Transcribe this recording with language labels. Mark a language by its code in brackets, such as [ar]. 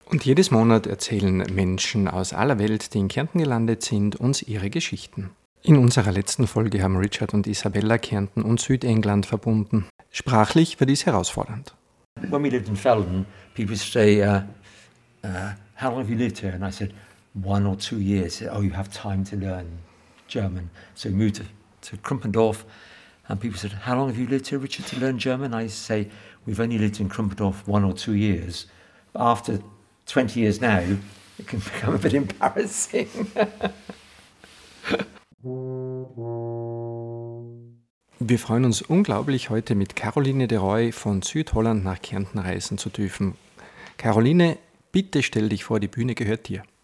[de] Und jedes Monat erzählen Menschen aus aller Welt, die in Kärnten gelandet sind, uns ihre Geschichten. In unserer letzten Folge haben Richard und Isabella Kärnten und Südengland verbunden. Sprachlich war dies herausfordernd. [en] When we lived in Felden, people say, how long have you lived here? And I said, 1 or 2 years. Oh, you have time to learn German. So we moved to Krumpendorf. And people said, how long have you lived here, Richard, to learn German? I say, we've only lived in Krumpendorf 1 or 2 years. But after 20 years now, it can become a bit embarrassing. [de] Wir freuen uns unglaublich, heute mit Caroline de Roy von Südholland nach Kärnten reisen zu dürfen. Caroline, bitte stell dich vor, die Bühne gehört dir.